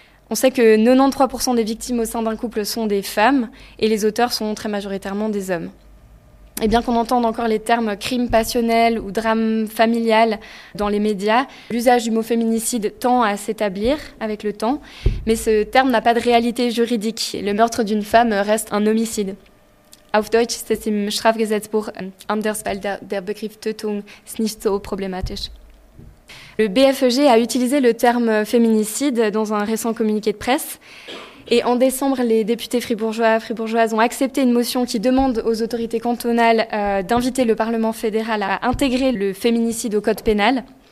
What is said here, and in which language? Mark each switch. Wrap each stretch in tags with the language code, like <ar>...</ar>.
<fr>On sait que 93% des victimes au sein d'un couple sont des femmes et les auteurs sont très majoritairement des hommes. Et bien qu'on entende encore les termes crime passionnel ou drame familial dans les médias, l'usage du mot féminicide tend à s'établir avec le temps, mais ce terme n'a pas de réalité juridique. Le meurtre d'une femme reste un homicide.</fr> <de>Auf Deutsch ist es im Strafgesetzbuch anders, weil der Begriff Tötung ist nicht so problematisch.</de> <fr>Le BFEG a utilisé le terme féminicide dans un récent communiqué de presse. Et en décembre, les députés fribourgeois et fribourgeoises ont accepté une motion qui demande aux autorités cantonales d'inviter le Parlement fédéral à intégrer le féminicide au code pénal.</fr>